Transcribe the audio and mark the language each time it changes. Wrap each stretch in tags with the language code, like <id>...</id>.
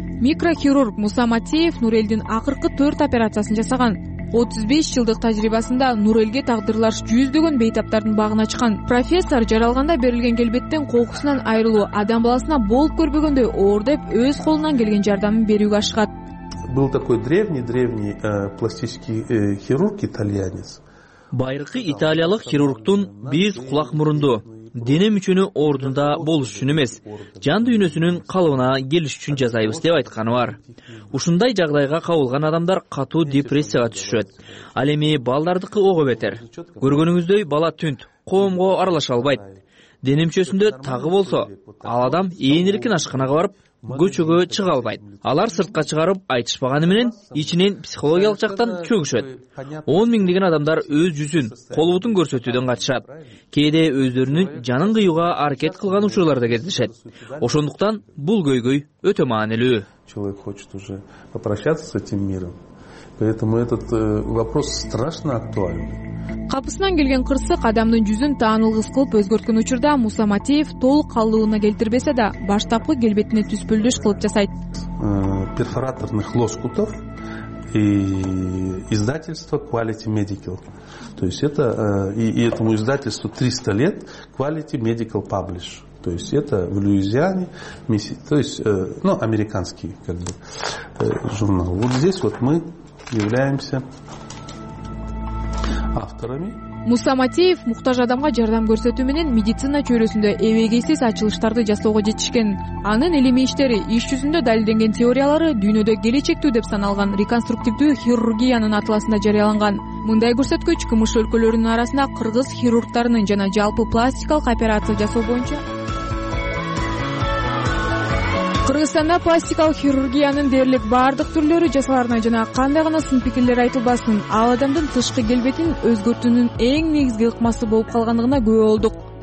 <ky>Микрохирург Муса Матеев Нурелдин акыркы 4 операциясын жасаган. 35 жылдык тажрыйбасында Нурелге тагдырлар жүздөгөн бейтаптардын багын ачкан. Профессор жаралганда берилген келбеттен кокусунан айрылуу адам баласына болуп көрбөгөндөй оор деп өз колунан келген жардамын берүүгө ашыгат.</ky> <ru>Был такой древний пластический хирург итальянец.</ru> <ky>Байыркы италиялык хирургтун биз кулак мурунду, дене мүчөнү ордунда болуш үчүн эмес, жан дүйнөсүнүн калыбына келиш үчүн жасайбыз деп айтканы бар. Ушундай жагдайга кабылган адамдар катуу депрессияга түшүшөт. Ал эми балдардыкы ого бетер. Көргөнүңүздөй бала түнт, коомго аралаша албайт. Дене мүчөсүндө тагы болсо, ал адам ээн эркин ашканага барып, көчөгө чыга албайт. Алар сыртка чыгарып айтышпаганы менен ичинен психологиялык жактан чөгүшөт. 10,000 деген адамдар өз жүзүн, кол бутун көрсөтүүдөн качышат. Кээде өздөрүнүн жанын кыюуга аракет кылган учурлар да кездешет. Ошондуктан бул көйгөй өтө маанилүү.</ky> <ru>Человек хочет уже попрощаться с этим миром. Поэтому этот вопрос страшно актуальный.</ru> <ky>Капысынан келген кырсык адамдын жүзүн таанылгыс кылып өзгөрткөн учурда Муса Матеев толук калыбына келтирбесе да баштапкы келбетине түспөлдөш кылып жасайт.</ky> <ru>Перфораторных лоскутов и издательство Quality Medical. То есть это и этому издательству 300 лет Quality Medical Publish. То есть это в Луизиане, то есть американский журнал. Вот здесь вот мы являемся авторами.</ru> <ky>Муса Матеев муктаж адамга жардам көрсөтүү менен медицина чөйрөсүндө эбегейсиз ачылыштарды жасоого жетишкен. Анын илимий иштери, иш жүзүндө далилденген теориялары дүйнөдө келечектүү деп саналган реконструктивдүү хирургиянын атласында жарыяланган. Мындай көрсөткүч КМШ өлкөлөрүнүн арасында кыргыз хирургтарынын жана жалпы пластикалык операция жасоо боюнча Кыргызстанда пластикалык хирургиянын дээрлик бардык түрлөрү жасаларына жана кандай гана сын пикирлер айтылбасын, ал адамдын тышкы келбетин өзгөртүүнүн эң негизги ыкмасы болуп калгандыгына күбө болдук.</ky>